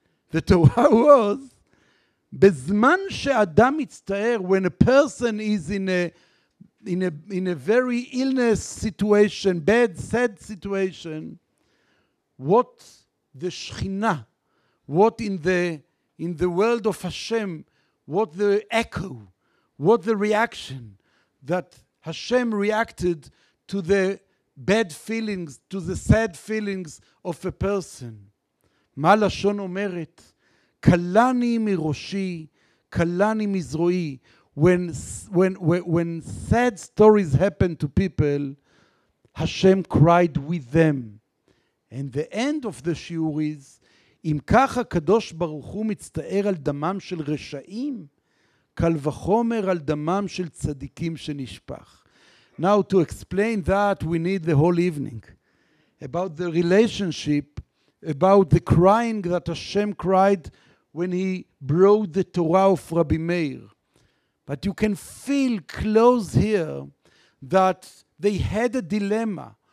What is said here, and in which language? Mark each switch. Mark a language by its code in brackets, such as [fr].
[en] The Torah was, [he] בזמן שאדם מצטער, [en] when a person is in a very illness situation, bad, sad situation, what the Shekhinah, what in the world of Hashem, what the echo, what the reaction that Hashem reacted to the bad feelings, to the sad feelings of a person. [he] מה לשון אומרת? קלני מראשי, קלני מזרועי. [en] When sad stories happen to people, Hashem cried with them. And the end of the shiur is, [he] אם כך הקדוש ברוך הוא מצטער על דמם של רשעים, קל וחומר על דמם של צדיקים שנשפך. [en] Now to explain that, we need the whole evening. About the relationship, about the crying that Hashem cried when he brought the Torah of Rabbi Meir. But you can feel close here that they had a dilemma.